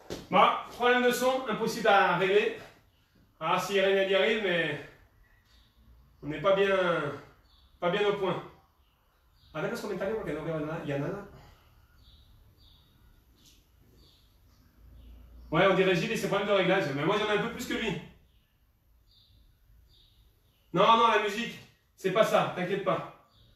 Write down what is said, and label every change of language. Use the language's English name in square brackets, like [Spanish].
[French] Bah, problème de son, impossible à régler. Ah, si rien à dire, mais on n'est pas bien au point. Avec [Spanish] los comentarios porque no veo nada. [French] Ouais, on dirait Gilles et ses problèmes de réglage. Mais moi, j'en ai un peu plus que lui. Non, la musique, c'est pas ça. T'inquiète pas.